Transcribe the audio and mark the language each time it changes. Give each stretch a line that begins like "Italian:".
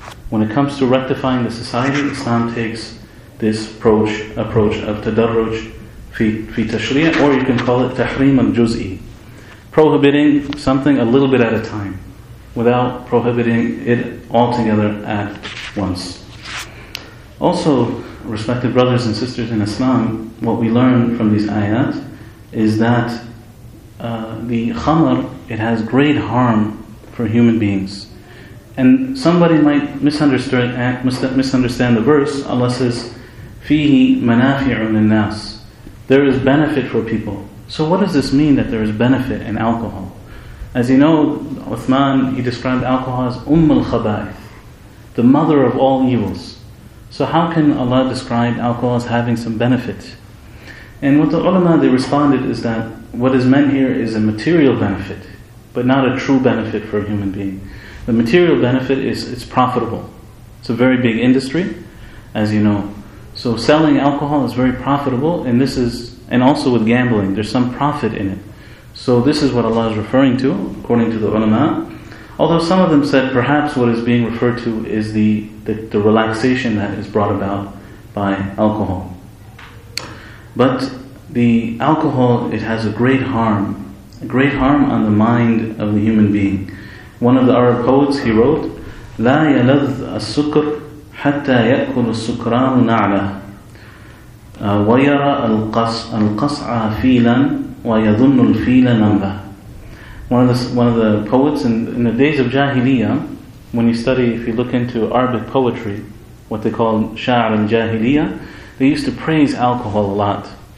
English: When it comes to rectifying the society, Islam takes this approach of tadarruj fi tashri'a, or you can call it tahrim al-juz'i, prohibiting something a little bit at a time, without prohibiting it altogether at once. Also, respected brothers and sisters in Islam, what we learn from these ayat is that the khamar, it has great harm for human beings. And somebody might misunderstand the verse.
Arabic: Allah says, فِيهِ مَنَافِعٌ لِلنَّاسِ.
English: There is benefit for people. So what does this mean, that there is benefit in alcohol? As you know, Uthman, he described alcohol as
Arabic: أُمَّ الْخَبَائِثِ,
English: the mother of all evils. So how can Allah describe alcohol as having some benefit? And what the ulama, they responded, is that what is meant here is a material benefit, but not a true benefit for a human being. The material benefit is, it's profitable. It's a very big industry, as you know. So selling alcohol is very profitable, and also with gambling, there's some profit in it. So this is what Allah is referring to, according to the ulama. Although some of them said perhaps what is being referred to is the relaxation that is brought about by alcohol. But the alcohol, it has a great harm on the mind of the human being.
Arabic: One of the Arab poets, he wrote, لَا يَلَذْ السُّكْرْ حَتَّى يَأْكُلُ السُّكْرَانُ نَعْلَهُ وَيَرَى الْقَصْعَ فِيلًا وَيَظُنُّ الْفِيلَ نَمْبَهُ.
English: One of the poets in the days of Jahiliyyah, when you study, if you look into Arabic poetry, what they call Sha'r al-Jahiliyyah, they used to praise alcohol a lot.